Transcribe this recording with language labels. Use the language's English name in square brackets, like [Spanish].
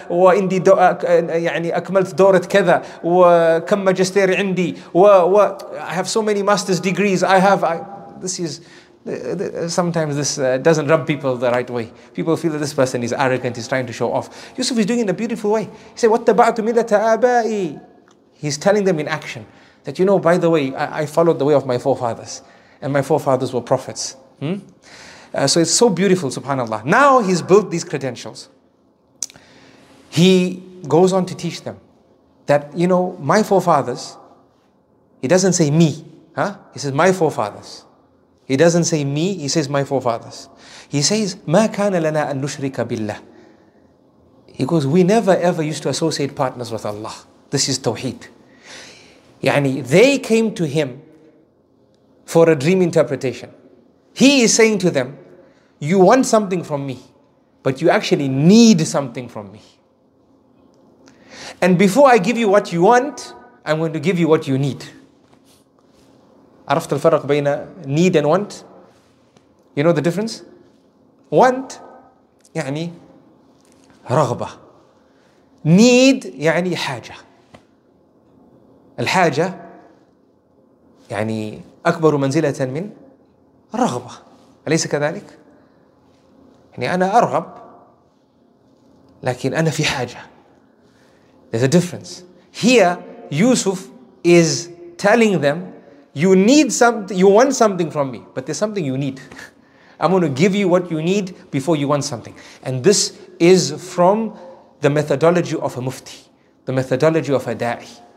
[Arabic] Wa indi yani akmalt dawrat kadha wa kam magister indi wa [English] I have so many master's degrees. [Arabic] I have I [English] this is, sometimes this doesn't rub people the right way. People feel that this person is arrogant, he's trying to show off. Yusuf is doing it in a beautiful way. He said, [Arabic] وَاتَّبَعْتُ مِلَّةَ أَبَائِي. [English] He's telling them in action that, you know, by the way, I followed the way of my forefathers, and my forefathers were prophets. So it's so beautiful, subhanAllah. Now he's built these credentials. He goes on to teach them that, you know, my forefathers, he doesn't say me, huh? He says my forefathers. He doesn't say me, he says my forefathers. He says, [Arabic] مَا كَانَ لَنَا أَن نُشْرِكَ بِاللَّهِ. [English] He goes, we never ever used to associate partners with Allah. This is Tawheed. Yani, they came to him for a dream interpretation. He is saying to them, you want something from me, but you actually need something from me. And before I give you what you want, I'm going to give you what you need. [Arabic] عرفت الفرق بين [English] need and want? You know the difference? [Arabic] Want, يعني رغبة. Need, يعني حاجة. الحاجة يعني أكبر منزلة من رغبة. أليس كذلك؟ يعني أنا أرغب لكن أنا في حاجة. [English] There's a difference. Here, Yusuf is telling them, you need something, you want something from me, but there's something you need. I'm going to give you what you need before you want something. And this is from the methodology of a mufti, the methodology of a da'i.